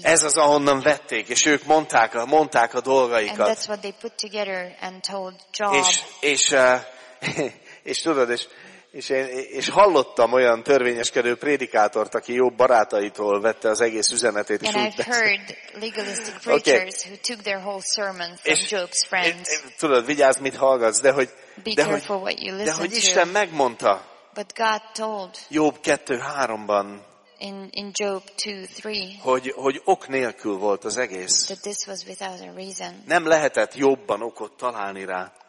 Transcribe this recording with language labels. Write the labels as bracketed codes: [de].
[hu] Ez az, ahonnan vették, és ők mondták a dolgaikat. [en] And that's what they put together and told Job. [hu] És tudod, és hallottam olyan törvényeskedő prédikátort, aki jó barátaitól vette az egész üzenetét. [en] And I've heard legalistic preachers who took their whole sermon from Job's friends. [hu] Tudod, vigyázz, mit hallgatsz, de hogy de hogy Isten megmondta. [en] But God told. [hu] Job 2:3-ban. [en] In Job 2:3, [hu] hogy ok nélkül volt az egész. [en] That this was without a reason. [hu] Nem lehetett jobban okot találni rá.